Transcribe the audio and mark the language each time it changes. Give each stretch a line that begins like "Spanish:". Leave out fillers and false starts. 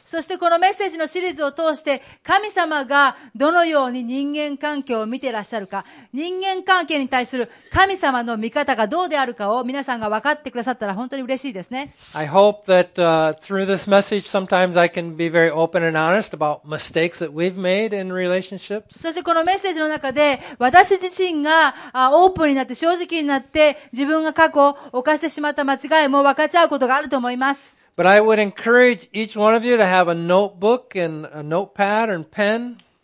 Japanese: そしてこのメッセージのシリーズを通して、神様がどのように人間関係を見ていらっしゃるか、人間関係に対する神様の見方がどうであるかを皆さんが分かってくださったら本当に嬉しいですね。
English: I hope that, through this message, sometimes I can be very open and honest about mistakes that we've made in relationships.
Japanese: そしてこのメッセージの中で、私自身がオープンになって正直になって、自分が過去犯してしまった間違いも分かち合うことがあると思います。
English: But I would encourage each one of you to have a notebook and a notepad and pen.